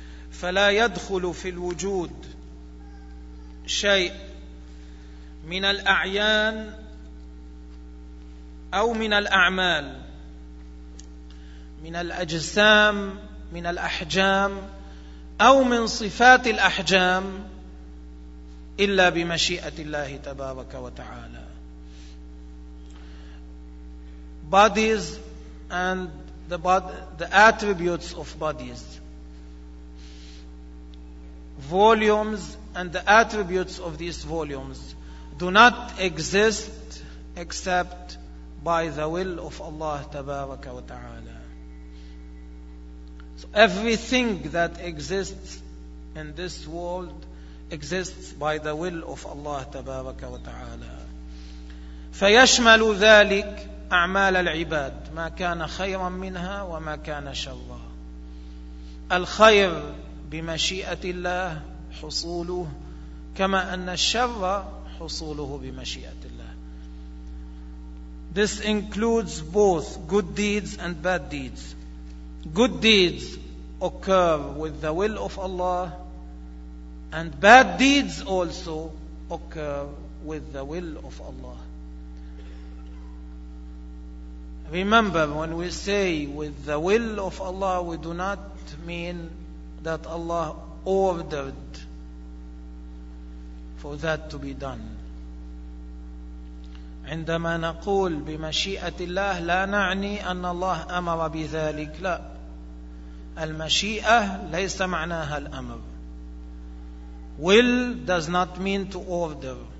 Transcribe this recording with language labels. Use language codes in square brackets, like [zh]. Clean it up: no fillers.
[ar] فلا يدخل في الوجود شيء من الأعيان أو من الأعمال من الأجسام من الأحجام أو من صفات الأحجام إلا بمشيئة الله تبارك وتعالى. [en] Bodies and the attributes of bodies, volumes and the attributes of these volumes do not exist except by the will of Allah tabaraka wa ta'ala. So everything that exists in this world exists by the will of Allah tabaraka wa ta'ala. [ar] فَيَشْمَلُ ذَلِكَ أَعْمَالَ الْعِبَادِ مَا كَانَ خَيْرًا مِنْهَا وَمَا كَانَ شَرًّا. الخير بمشيئة الله حصوله كما أن الشر حصوله بمشيئة الله. [en] This includes both good deeds and bad deeds. Good deeds occur with the will of Allah, and bad deeds also occur with the will of Allah. Remember, when we say with the will of Allah, we do not mean that Allah ordered for that to be done. [ar] عندما نقول بمشيئة الله لا نعني أن الله أمر بذلك. لا, المشيئة ليس معناها الأمر. [en] Will does not mean to order.